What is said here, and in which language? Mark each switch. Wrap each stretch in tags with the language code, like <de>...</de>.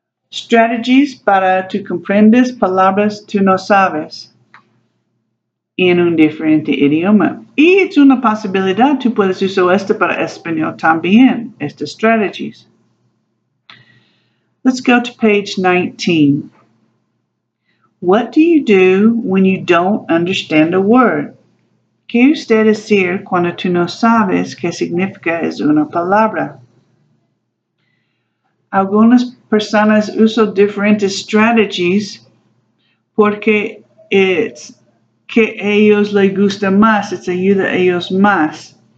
<es>Strategies para tú comprendes palabras tú no sabes en un diferente idioma. Y es una posibilidad, tú puedes usar esto para español también, estas strategies.</es> <en>Let's go to page 19. What do you do when you don't understand a word?</en> <es>¿Qué usted hace cuando tú no sabes qué significa es una palabra? Algunas personas usan diferentes strategies porque es que a ellos les gusta más, es ayuda a ellos más.</es>